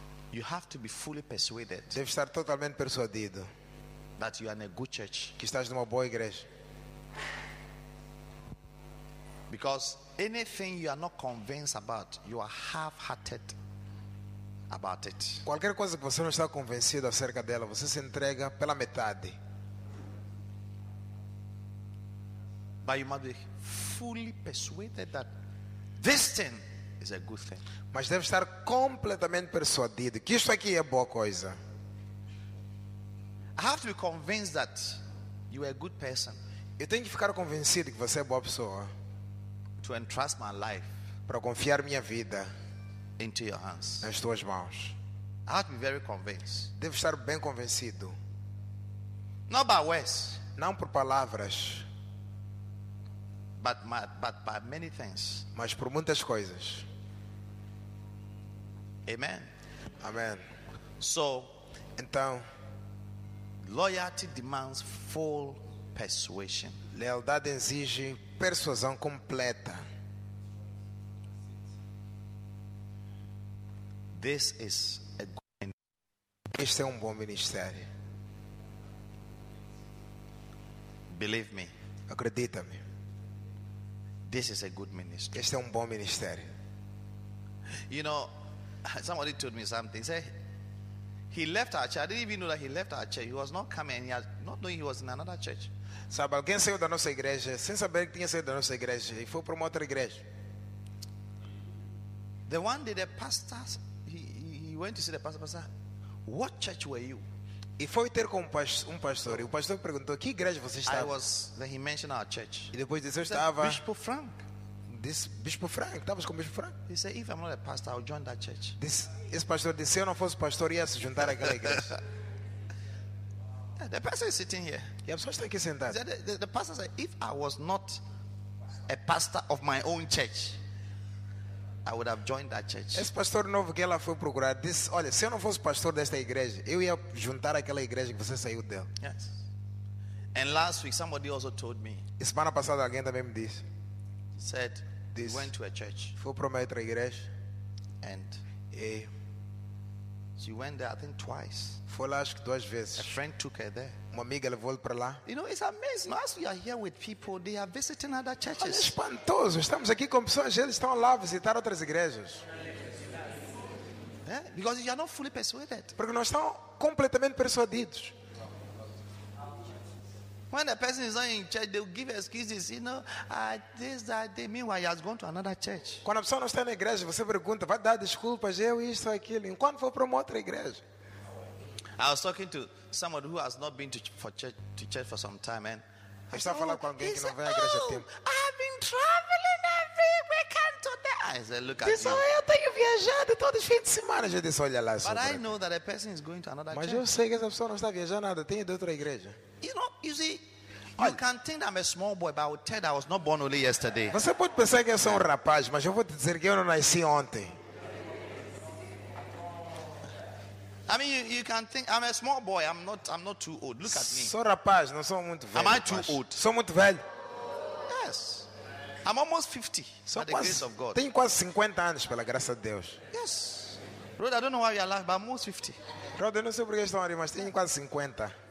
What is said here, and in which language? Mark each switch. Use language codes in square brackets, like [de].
[en] You have to be fully persuaded. [pt] Deve estar totalmente persuadido [en] that you are in a good church. [pt] Que estás numa boa igreja. [en] Because anything you are not convinced about, you are half-hearted about it. [pt] Qualquer coisa que você não está convencido acerca dela, você se entrega pela metade. [en] But you must be fully persuaded that this thing is a good thing. [pt] Mas deve estar completamente persuadido que isto aqui é boa coisa. [en] I have to be convinced that you are a good person. [pt] Eu tenho que ficar convencido que você é boa pessoa. [en] To entrust my life, [pt] para confiar minha vida, [en] into your hands, [pt] nas tuas mãos. [en] I have to be very convinced. [pt] Deve estar bem convencido. [en] Not by words, [pt] não por palavras. [en] But by many things. [pt] Mas por muitas coisas. [en] Amen. [pt] Amen. [en] So, [pt] então, [en] loyalty demands full persuasion. [pt] Lealdade exige persuasão completa. [en] This is a good ministry. [pt] Este é bom ministério. [en] Believe me. [pt] Acredita-me. [en] This is a good ministry. [pt] Este é bom ministério. [en] You know, somebody told me something. He said, he left our church. I didn't even know that he left our church. He was not coming. And he had, not knowing he was in another church. [pt] Sabe, alguém saiu da nossa igreja sem saber que tinha saído da nossa igreja e foi para uma outra igreja. [en] The one day the pastor, he went to see the pastor. Pastor, what church were you? [pt] E foi ter com um pastor. E o pastor perguntou: que igreja você estava? [en] I was, then he mentioned our church. [pt] E depois disse: eu estava. Bispo Frank. Disse: Bispo Frank. Estavas com Bispo Frank? [en] He said, if I'm not a pastor, I'll join that church. [pt] Esse pastor disse: se eu não fosse pastor, ia se juntar àquela igreja. [en] The pastor is sitting here. [pt] E a pessoa está aqui sentada. [en] The pastor said, if I was not a pastor of my own church, I would have joined that church. [pt] Esse pastor novo que ela foi procurar disse: olha, se eu não fosse pastor desta igreja, eu ia juntar aquela igreja que você saiu dela. [en] Yes. And last week somebody also told me. [pt] E semana passada alguém também me disse. [en] Said this, went to a church. [pt] Foi para uma outra igreja. [en] And [pt] e [en] she went there, I think, twice. [pt] Foi lá, acho que duas vezes. [en] A friend took her there. [pt] Uma amiga levou-lhe para lá. [en] You know, it's amazing. As we are here with people, they are visiting other churches. [pt] Olha, espantoso. Estamos aqui com pessoas, eles estão lá a visitar outras igrejas. [en] Yeah? Because you are not fully persuaded. [pt] Porque não estão completamente persuadidos. [en] When a person is not in church, they will give excuses. You know, this, that, they. Meanwhile, he has gone to another church. [pt] Quando a pessoa não está na igreja, você pergunta, vai dar desculpas, eu isto, aquilo. Enquanto for para uma outra igreja. [en] I was talking to someone who has not been to church for some time, and I started [pt] falando com alguém que não vem à igreja há tempo. [en] I have been traveling every weekend to the. I said, look at you. [pt] Eu tenho viajado todos os fins de semana. Já disse, olha lá. [en] But I know that a person is going to another [pt] mas [en] church. [pt] Mas eu sei que essa pessoa não está viajando nada. Tem de outra igreja. [en] You know, you see, you can think I'm a small boy, but I would tell you I was not born only yesterday. [pt] Você pode pensar que eu sou rapaz, mas eu vou te dizer que eu não nasci ontem. [en] I mean, you can think I'm a small boy. I'm not too old. Look at me. [pt] Sou rapaz, não sou muito velho. [en] Am I too old? [pt] Sou muito velho. [en] Yes. I'm almost 50. [pt] Sou [en] by the grace of God. [pt] Tenho quase 50 anos pela graça de Deus. [en] Yes. Brother, I don't know why you are laughing, but I'm almost 50. Brother, [pt] não sei porque estão a rir, mas tenho quase 50.